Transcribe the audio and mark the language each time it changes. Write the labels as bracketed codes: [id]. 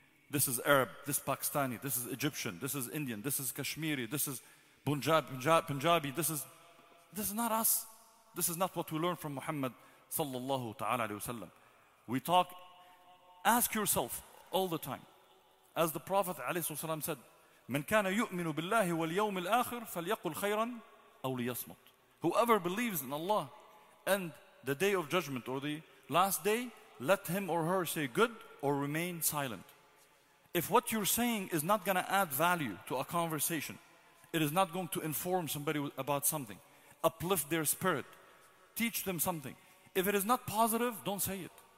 [en] This is Arab, this is Pakistani, this is Egyptian, this is Indian, this is Kashmiri, this is Punjabi, this is not us. This is not what we learn from Muhammad sallallahu ta'ala alayhi wasallam. We talk, ask yourself all the time. As the Prophet alayhi wasallam said, [ar] من كان يؤمن بالله واليوم الآخر فليقل خيرا أو ليصمت. [en] Whoever believes in Allah and the day of judgment or the last day, let him or her say good or remain silent. If what you're saying is not going to add value to a conversation, it is not going to inform somebody about something, uplift their spirit, teach them something, if it is not positive, don't say it.